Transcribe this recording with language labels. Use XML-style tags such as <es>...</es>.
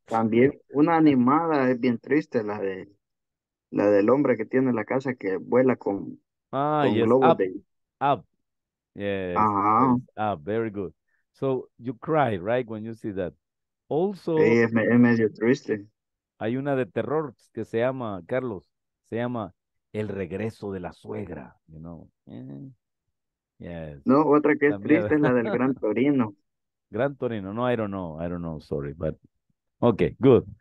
<es>También una animada es bien triste, la del hombre que tiene la casa que vuela con,</es> <en>yes, globos up, de... up. Yes. Uh-huh. Up, very good. So you cry, right, when you see that. Also,</en> <es>sí, es medio triste. Hay una de terror que se llama, Carlos, se llama El Regreso de la Suegra,</es> <en>you know. Yes.</en> <es>No, otra que es también triste es la del Gran Torino.</es> <en>Gran Torino, no, I don't know, sorry, but, okay, good.</en>